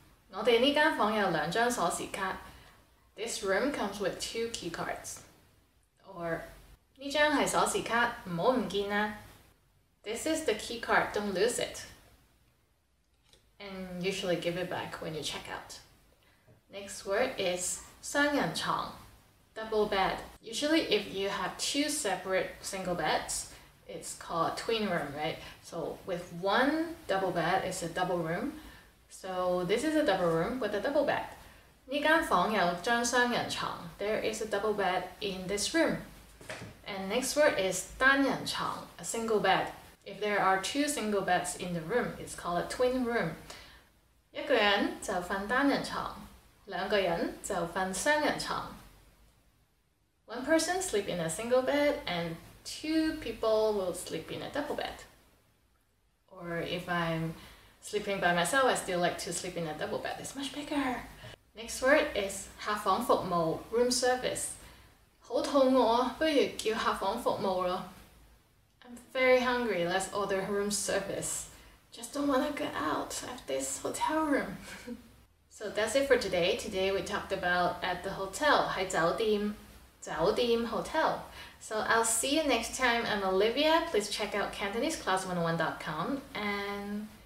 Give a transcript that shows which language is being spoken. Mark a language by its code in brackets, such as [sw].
[yue] 我哋呢間房有兩張鎖匙卡。 [en] This room comes with two key cards. Or [yue] 呢張係鎖匙卡，唔好唔見啦。 [en] This is the key card. Don't lose it. And usually give it back when you check out. Next word is 雙人床 double bed. Usually, if you have two separate single beds, it's called twin room, right? So with one double bed, it's a double room. So this is a double room with a double bed. [yue] 呢間房有張雙人床 [en] There is a double bed in this room. And next word is 單人床 a single bed. If there are two single beds in the room, it's called a twin room. [yue] 一個人就瞓單人床兩個人就瞓雙人床 [en] One person sleep in a single bed and two people will sleep in a double bed. Or if I'm... Sleeping by myself, I still like to sleep in a double bed. It's much bigger. Next word is 客房服務 room service. [yue] 好肚餓，不如叫客房服務咯。 [en] I'm very hungry. Let's order room service. Just don't want to get out of this hotel room. So that's it for today. Today we talked about at the hotel. [yue] 在酒店酒店 [en] hotel. So I'll see you next time. I'm Olivia. Please check out CantoneseClass101.com and...